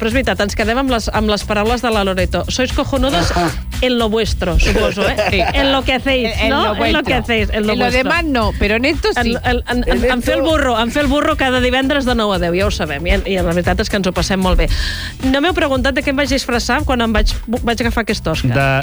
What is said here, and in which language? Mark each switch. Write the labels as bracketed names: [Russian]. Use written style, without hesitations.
[Catalan] Però és veritat, ens quedem amb les paraules de la Loreto. [Spanish] Sois cojonudos en lo vuestro, [Catalan] suposo, [Spanish] eh? Sí. En lo que hacéis, en no? En lo que hacéis, en lo vuestro. En lo demás no, pero en esto sí. [Catalan] En fer el burro cada divendres de 9 a 10, ja ho sabem. I la veritat és que ens ho passem molt bé. No m'heu preguntat de què em vaig disfressar quan em vaig agafar aquest Òscar.